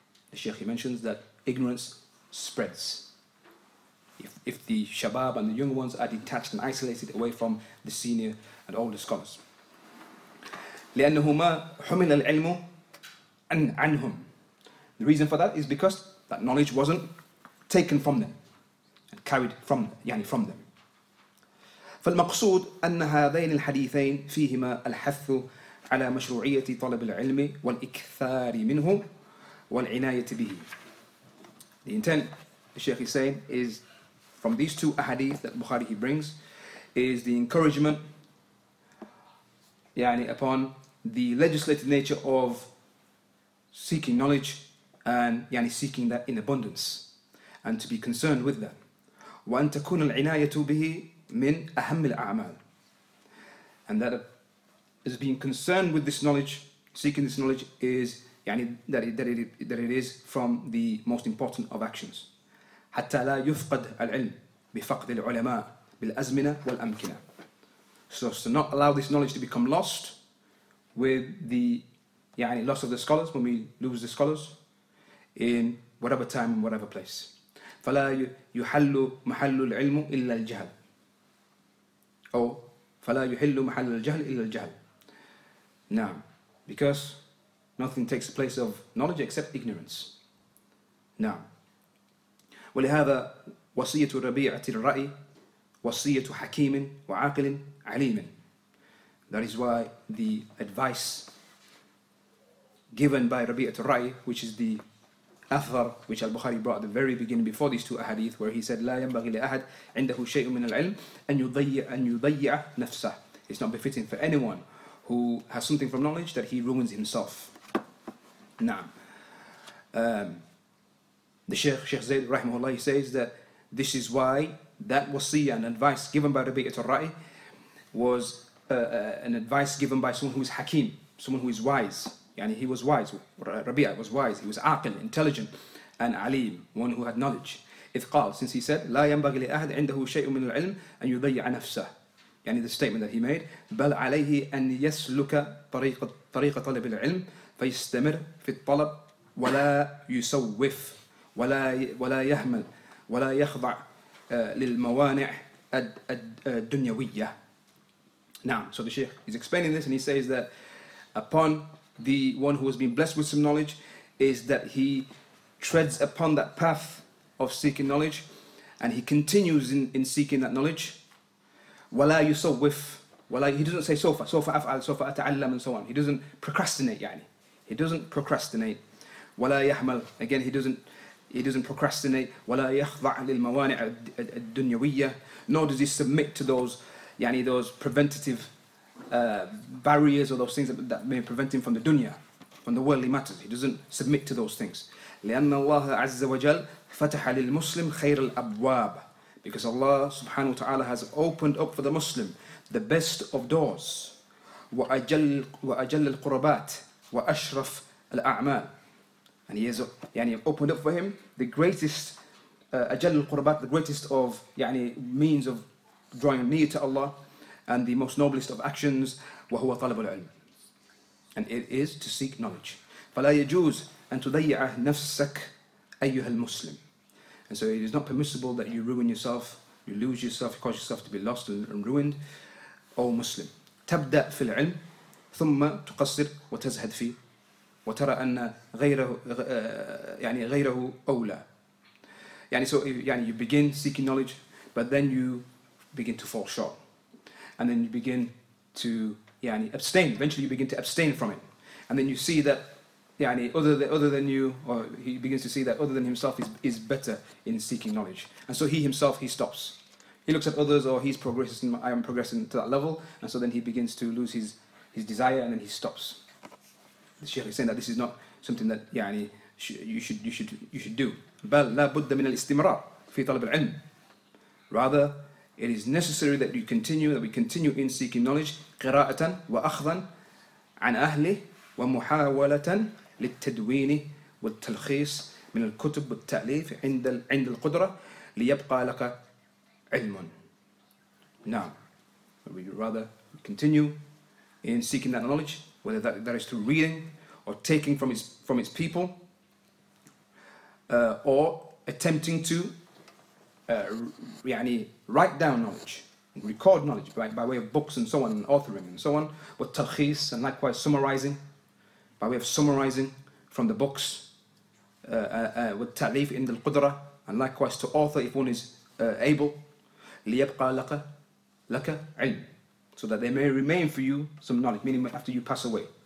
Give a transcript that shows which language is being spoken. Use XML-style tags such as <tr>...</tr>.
<en>The Sheikh, he mentions that ignorance spreads. If the shabab and the young ones are detached and isolated away from the senior and older scholars.</en> <ar>لِأَنَّهُمَا حُمِلَ الْعِلْمُ عَنْهُمْ.</ar> <en>The reason for that is because that knowledge wasn't taken from them and carried from, yani from them.</en> <ar>فالمقصود أن هذين الحديثين فيهما الحث على مشروعية طلب العلم والإكثار منه والعناية به.</ar> <en>The intent, the Sheikh is saying, is from these two ahadith that Bukhari he brings, is the encouragement يعني, upon the legislated nature of seeking knowledge and يعني, seeking that in abundance and to be concerned with that.</en> <ar>وَأَن تَكُونَ الْعِنَايَةُ بِهِ مِنْ أَهَمِّ الْأَعْمَالِ.</ar> <en>And that is being concerned with this knowledge, seeking this knowledge, is يعني, that it is from the most important of actions.</en> <ar>حتى لا يفقد العلم بفقد العلماء بالأزمنة والأمكنة.</ar> <en>So as to not allow this knowledge to become lost with the يعني, loss of the scholars, when we lose the scholars in whatever time and whatever place.</en> <ar>فلا يحل محل العلم إلا الجهل. أو فلا يحل محل الجهل إلا الجهل. نعم.</ar> <en>Because nothing takes the place of knowledge except ignorance.</en> <ar>نعم. ولهذا وصية ربيعة الرأي وصية حكيم وعاقل عليم.</ar> <en>That is why the advice given by ربيعة الرأي, which is the أثر which Al-Bukhari brought at the very beginning before these two ahadith, where he said</en> <ar>لا ينبغي لأحد عنده شيء من العلم أن يضيع نفسه.</ar> <en>It's not befitting for anyone who has something from knowledge that he ruins himself.</en> <ar>نعم.</ar> <en>The Sheikh Zayd rahimahullah, he says that this is why that wasiyah and advice given by Rabi'at al-Ra'i was an advice given by someone who is hakim, someone who is wise. Yani he was wise, Rabi'at was wise, he was aqil, intelligent, and alim, one who had knowledge.</en> <ar>إذ قال,</ar> <en>since he said,</en> <ar>لا ينبغي لأحد عنده شيء من العلم أن يضيع نفسه.</ar> <en>Yani the statement that he made,</en> <ar>بل عليه أن يسلك طريق طلب العلم فيستمر في الطلب ولا يسوف. ولا يهمل ولا يخضع للموانع الدنيوية.</ar> <en>Now, so the Sheikh is explaining this, and he says that upon the one who has been blessed with some knowledge is that he treads upon that path of seeking knowledge and he continues in seeking that knowledge.</en> <ar>ولا يسوف, ولا,</ar> <en>he doesn't say</en> <ar>سوف, سوف أفعل, سوف أتعلم,</ar> <en>and so on. He doesn't procrastinate, يعني. He doesn't procrastinate.</en> <ar>ولا يهمل,</ar> <en>again, he doesn't procrastinate.</en> <ar>ولا يخضع للموانع الدنيوية.</ar> <en>Nor does he submit to those, يعني those preventative barriers or those things that may prevent him from the dunya, from the worldly matters. He doesn't submit to those things.</en> <ar>لأن الله عز وجل فتح للمسلم خير الأبواب.</ar> <en>Because Allah subhanahu wa ta'ala has opened up for the Muslim the best of doors.</en> <ar>وأجل القربات وأشرف الأعمال.</ar> <en>And he has opened up for him the greatest</en> <ar>أجل القربات,</ar> <en>the greatest of يعني means of drawing near to Allah, and the most noblest of actions,</en> <ar>وهو طلب العلم,</ar> <en>and it is to seek knowledge.</en> <ar>فلا يجوز أن تضيع نفسك أيها المسلم.</ar> <en>And so it is not permissible that you ruin yourself, you lose yourself, you cause yourself to be lost and ruined, O Muslim.</en> <ar>تبدأ في العلم ثم تقصر وتزهد فيه وترى أن غيره يعني غيره أولى.</ar> <en>يعني so يعني you begin seeking knowledge, but then you begin to fall short, and then you begin to يعني abstain. Eventually, you begin to abstain from it, and then you see that يعني other than you, or he begins to see that other than himself is better in seeking knowledge, and so he stops. He looks at others, or he's progressing. I am progressing to that level, and so then he begins to lose his desire, and then he stops. The Sheikh is saying that this is not something that يعني you should do.</en> <ar>بل لا بد من الاستمرار في طلب العلم.</ar> <en>Rather, it is necessary that you continue, that we continue in seeking knowledge.</en> <ar>قراءة وأخذا عن أهله ومحاولة للتدوين والتلخيص من الكتب والتأليف عند القدرة ليبقى لك علم.</ar> <en>Now, we rather continue in seeking that knowledge, whether that is through reading or taking from its people, or attempting to يعني write down knowledge, record knowledge by way of books and so on, and authoring and so on, with talkhis, and likewise summarizing, by way of summarizing from the books, with ta'lif in the qudra, and likewise to author if one is able,</en> <ar>liyabqa laka ilm,</ar> <en>so that there may remain for you some knowledge, meaning after you pass away.</en>